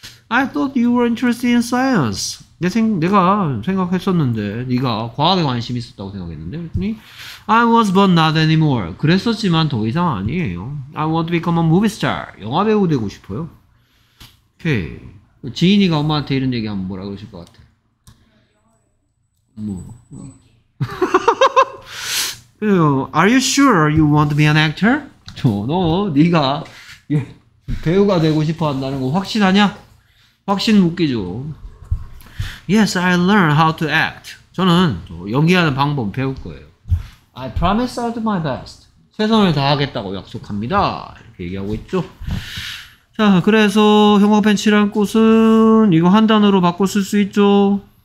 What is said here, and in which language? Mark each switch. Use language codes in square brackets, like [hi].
[en] I thought you were interested in science. [ko] 내가 생각했었는데 네가 과학에 관심 있었다고 생각했는데 그랬더니 [en] I was but not anymore. [ko] 그랬었지만 더 이상 아니에요. [en] I want to become a movie star. [ko] 영화배우 되고 싶어요. 오케이. 지인이가 엄마한테 이런 얘기하면 뭐라 그러실 것 같아? 뭐. [en] Are you sure you want to be an actor? [ko] 너 네가 배우가 되고 싶어 한다는 거 확신하냐? 확신 묻기죠. [en] Yes, I learned how to act. [ko] 저는 연기하는 방법 배울 거예요. [en] I promise I'll do my best. [ko] 최선을 다하겠다고 약속합니다. 이렇게 얘기하고 있죠. 자, 그래서 형광펜치란 꽃은 이거 한 단어로 바꿔 쓸 수 있죠.